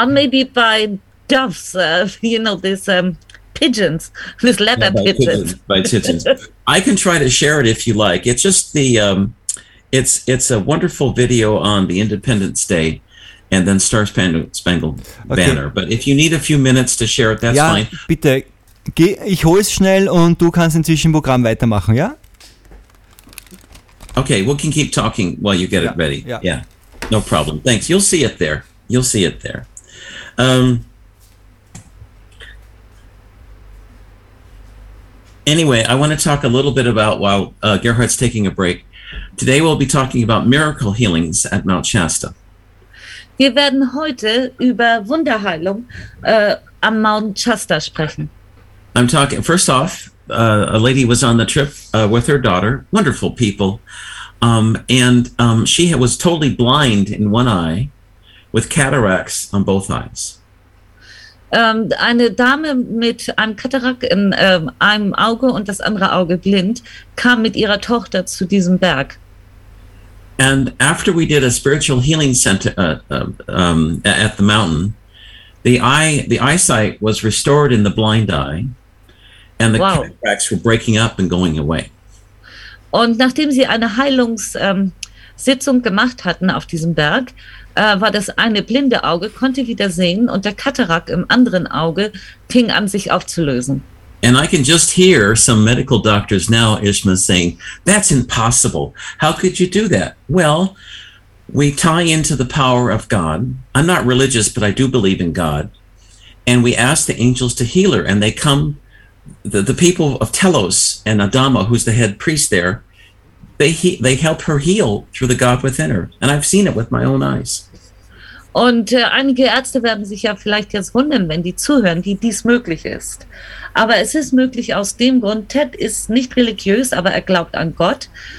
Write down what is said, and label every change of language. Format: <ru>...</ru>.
<en>Maybe by doves, you know, this... pigeons, this letter by pigeons. I can try to share it if you like. It's just the it's a wonderful video on the Independence Day and then Star Spangled Banner. Okay. But if you need a few minutes to share it, that's</en> <de>ja,</de> <en>fine.</en> <de>Bitte, ich hole es schnell und du kannst inzwischen im Programm weitermachen, ja?</de> <en>Okay, we can keep talking while you get it ready.</en> <de>Ja.</de> <en>Yeah, no problem. Thanks. You'll see it there. You'll see it there. Anyway, I want to talk a little bit about, while Gerhard's taking a break, today we'll be talking about miracle healings at Mount Shasta.</en> <de>Wir werden heute über Wunderheilung am Mount Shasta sprechen.</de> <en>I'm talking, first off, a lady was on the trip with her daughter, wonderful people, and she was totally blind in one eye with cataracts on both eyes.</en> <de>Eine Dame mit einem Katarakt in einem Auge und das andere Auge blind kam mit ihrer Tochter zu diesem Berg.</de> <en>And after we did a spiritual healing center at the mountain, the eyesight was restored in the blind eye, and the cataracts were breaking up and going away.</en> <de>Und nachdem sie eine Heilungs Sitzung gemacht hatten auf diesem Berg, war das eine blinde Auge, konnte wieder sehen und der Katarakt im anderen Auge fing an, sich aufzulösen.</de> <en>And I can just hear some medical doctors now, Ishma, saying, that's impossible. How could you do that? Well, we tie into the power of God. I'm not religious, but I do believe in God. And we ask the angels to heal her, and they come, the people of Telos and Adama, who's the head priest there, they help her heal through the God within her. And I've seen it with my own eyes.</en> <de>Und einige Ärzte werden sich ja vielleicht jetzt wundern, wenn die zuhören, wie dies möglich ist. Aber es ist möglich aus dem Grund, Ted ist nicht religiös, aber er glaubt an Gott.</de>